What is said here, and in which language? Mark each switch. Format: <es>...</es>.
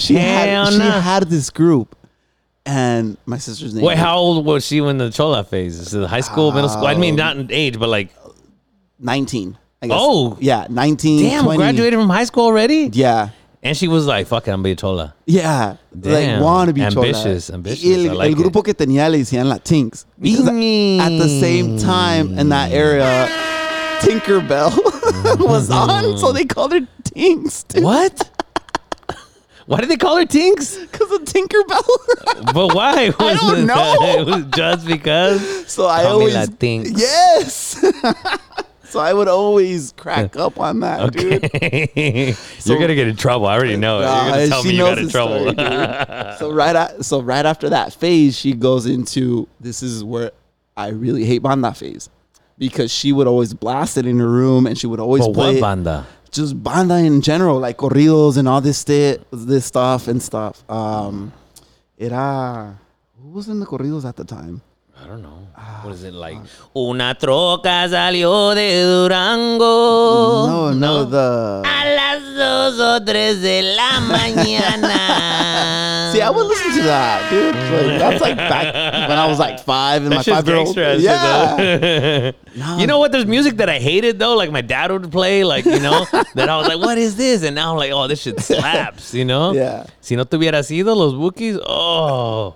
<en>She had this group. And my sister's name. Wait, how old was she when the chola phase? Is it high school, middle school? I mean, not in age, but like. 19. I guess. Oh yeah, 19. Damn, 20. Graduated from high school already. Yeah, and she was like, "Fuck it, I'm be a chola." Yeah, damn. Like want to be ambitious. Chola. Ambitious.</en> <es>El grupo que tenía le decían la Tinks.</es> <en>At the same time in that area, Tinkerbell was on, so they called her Tinks. Dude. What? Why did they call her Tinks? Because of Tinkerbell. But why? I don't know. It was just because. So I call always</en> <es>me la Tinks.</es> <en>Yes. So I would always crack up on that, okay. Dude. So, you're going to get in trouble. I already know. You're going to tell me you got in trouble. So right after that phase, she goes into, this is where I really hate banda phase. Because she would always blast it in her room and she would always play. What banda? Just banda in general, like corridos and all this stuff. Who was in the corridos at the time? I don't know. What is it like?</en> <es>Una troca salió de Durango.</es> <en>No. The...</en> <es>A las dos o tres de la mañana.</es> <en>See, I would listen to that, dude. Like, that's like back when I was like five and that's my 5-year-old. Yeah. You know what? There's music that I hated, though. Like my dad would play, like, you know, that I was like, what is this? And now I'm like, oh, this shit slaps, you know? Yeah.</en> <es>Si no tuvieras ido, los Bukis, oh.</es>